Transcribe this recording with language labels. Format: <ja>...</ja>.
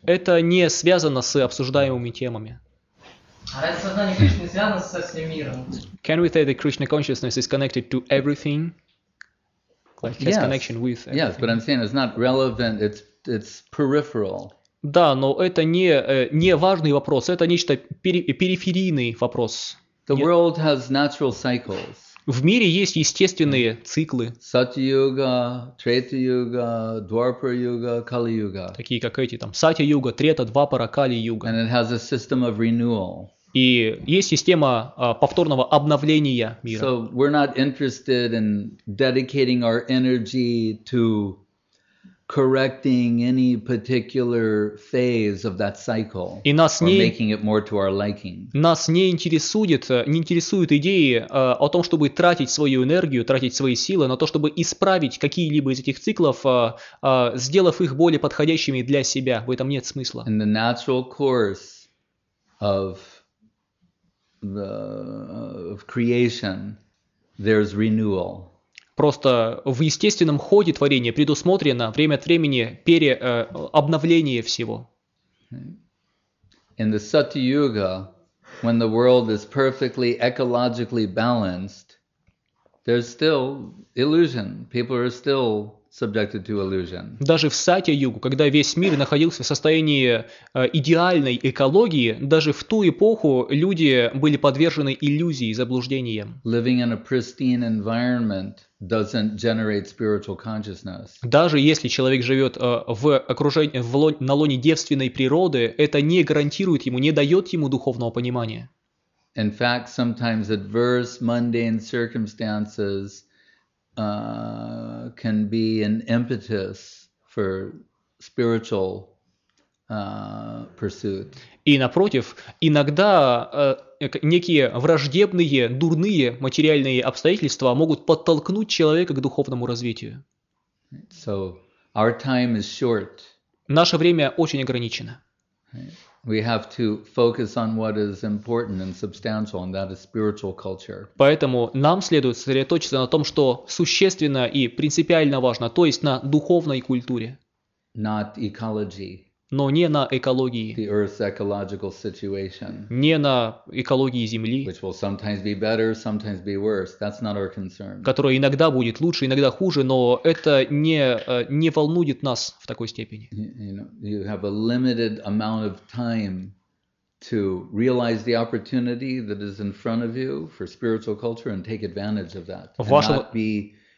<ru>Это не связано с обсуждаемыми темами. А это сознание Кришны связано со всем миром?</ru> <en>Can we say that Krishna consciousness is connected to everything? Like yes. Connection with everything. Yes, but I'm saying it's not relevant. It's peripheral.</en> <ru>Да, но это не важный вопрос. Это нечто периферийный вопрос.</ru> <en>The world has natural cycles.</en> <ru>В мире есть естественные циклы. Сатья-юга, Трета-юга, Двапара-юга, Кали-юга. Такие как эти там. Сатья-юга, Трета, Двапара, Кали-юга.</ru> <en>And it has a system of renewal.</en> <ru>И есть система повторного обновления мира.</ru> <en>So we're not interested in dedicating our energy to correcting any particular phase of that cycle or making it more to our liking.</en> <ru>Нас не интересует идеи о том, чтобы тратить свою энергию, тратить свои силы на то, чтобы исправить какие-либо из этих циклов, сделав их более подходящими для себя. В этом нет смысла.</ru> <en>In the natural course of of creation, there's renewal.</en> <ru>Просто в естественном ходе творения предусмотрено время от времени обновление всего.</ru> <en>In the Satyuga, when the world is perfectly ecologically balanced, there's still illusion. People are still subjected to illusion.</en> <ru>Даже в Сатья-югу, когда весь мир находился в состоянии идеальной экологии, даже в ту эпоху люди были подвержены иллюзии, заблуждениям.</ru> <en>Living in a pristine environment doesn't generate spiritual consciousness.</en> <ru>Даже если человек живет в окружении, на лоне девственной природы, это не гарантирует ему, не дает ему духовного понимания.</ru> <en>In fact, sometimes adverse mundane circumstances can be an impetus for spiritual pursuit.</en> <ru>И напротив, иногда некие враждебные, дурные материальные обстоятельства могут подтолкнуть человека к духовному развитию.</ru> <en>So our time is short.</en> <ru>Наше время очень ограничено.</ru> <en>We have to focus on what is important and substantial, and that is spiritual culture.</en> <ru>Поэтому нам следует сосредоточиться на том, что существенно и принципиально важно, то есть на духовной культуре.</ru> <en>not ecology.</en> <ru>Но не на экологии.</ru> <en>The Earth's ecological situation.</en> <ru>Не на экологии Земли.</ru> <en>Which will sometimes be better, sometimes be worse. That's not our concern.</en> <ru>Которая иногда будет лучше, иногда хуже, но это не волнует нас в такой степени.</ru> <en>You have a limited amount of time to realize the opportunity that is in front of you for spiritual culture and take advantage of that.</en>